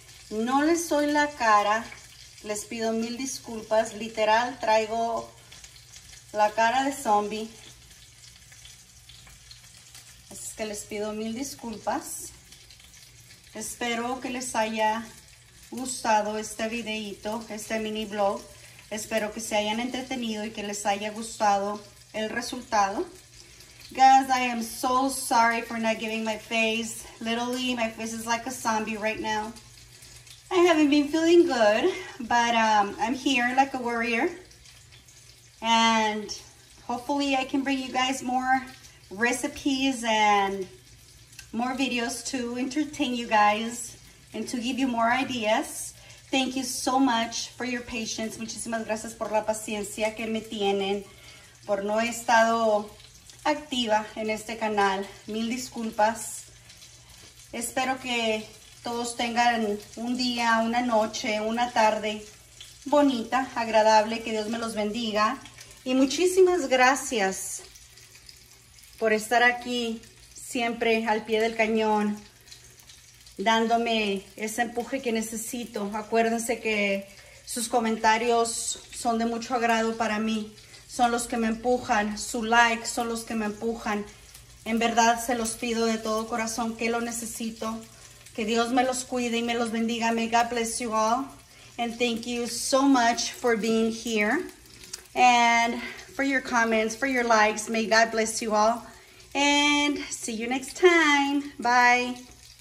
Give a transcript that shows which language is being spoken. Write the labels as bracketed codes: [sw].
[es] No les soy la cara, les pido mil disculpas, literal traigo la cara de zombie, así que les pido mil disculpas. Espero que les haya gustado este videito, este mini vlog. Espero que se hayan entretenido y que les haya gustado el resultado. [en] Guys, I am so sorry for not giving my face. Literally, my face is like a zombie right now. I haven't been feeling good, but I'm here like a warrior. And hopefully I can bring you guys more recipes and more videos to entertain you guys and to give you more ideas. Thank you so much for your patience. [es] Muchísimas gracias por la paciencia que me tienen por no haber estado activa en este canal. Mil disculpas. Espero que todos tengan un día, una noche, una tarde bonita, agradable. Que Dios me los bendiga. Y muchísimas gracias por estar aquí siempre al pie del cañón, dándome ese empuje que necesito. Acuérdense que sus comentarios son de mucho agrado para mí. Son los que me empujan, su like son los que me empujan. En verdad se los pido de todo corazón, que lo necesito. Que Dios me los cuide y me los bendiga. [en] May God bless you all. And thank you so much for being here. And for your comments, for your likes. May God bless you all. And see you next time. Bye.